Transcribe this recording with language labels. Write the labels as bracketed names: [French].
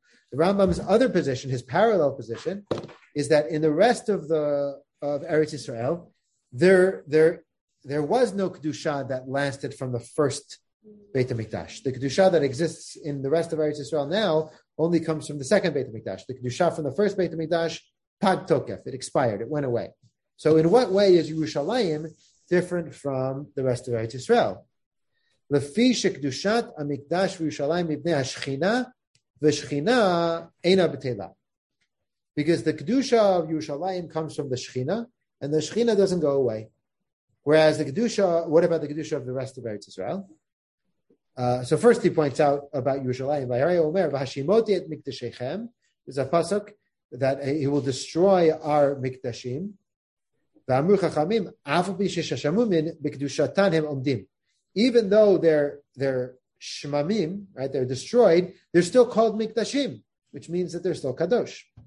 [English] The Rambam's other position, his parallel position, is that in the rest of Eretz Yisrael, there was no Kedusha that lasted from the first Beit HaMikdash. The Kedusha that exists in the rest of Eretz Yisrael now only comes from the second Beit HaMikdash. The Kedusha from the first Beit HaMikdash, pag tokef, it expired, it went away. So in what way is Yerushalayim different from the rest of Eretz Yisrael? [Hebrew] לפי שקדושת המקדש וירושלים מבני השכינה, ושכינה אינה בטלה. [English] Because the Kedusha of Yerushalayim comes from the Shechina, and the Shechina doesn't go away. Whereas the Kedusha, what about the Kedusha of the rest of Eretz Israel? So first he points out about Yerushalayim, [Hebrew] והרי הוא אומר, והשימותי את מקדשיכם, זה פסוק, [English] that he will destroy our [Hebrew] מקדשים, ואמרו חכמים, אף פי ששמעו מן, בקדושתן הם עומדים. [English] Even though they're shmamim, right, they're destroyed, they're still called mikdashim, which means that they're still kadosh.